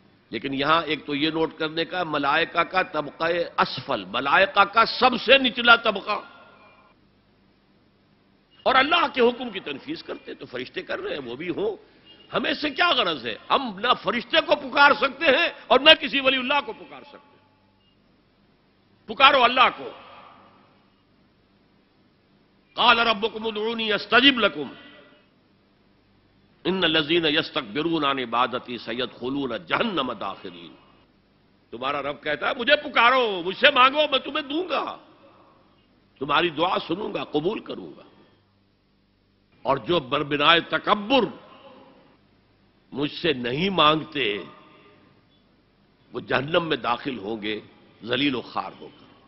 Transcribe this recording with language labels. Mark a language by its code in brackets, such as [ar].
[ur] لیکن یہاں ایک تو یہ نوٹ کرنے کا، ملائکہ کا طبقہ اسفل، ملائکہ کا سب سے نچلا طبقہ، اور اللہ کے حکم کی تنفیذ کرتے تو فرشتے کر رہے ہیں، وہ بھی ہوں، ہمیں سے کیا غرض ہے؟ ہم نہ فرشتے کو پکار سکتے ہیں اور نہ کسی ولی اللہ کو پکار سکتے ہیں. پکارو اللہ کو. [ar] قال ربكم ادعوني استجب لكم ان الذين يستكبرون عن عبادتي سيدخلون جهنم داخرين. [ur] تمہارا رب کہتا ہے مجھے پکارو، مجھ سے مانگو، میں تمہیں دوں گا، تمہاری دعا سنوں گا، قبول کروں گا. اور جو بربنائے تکبر مجھ سے نہیں مانگتے وہ جہنم میں داخل ہوں گے، ذلیل و خوار ہوگا.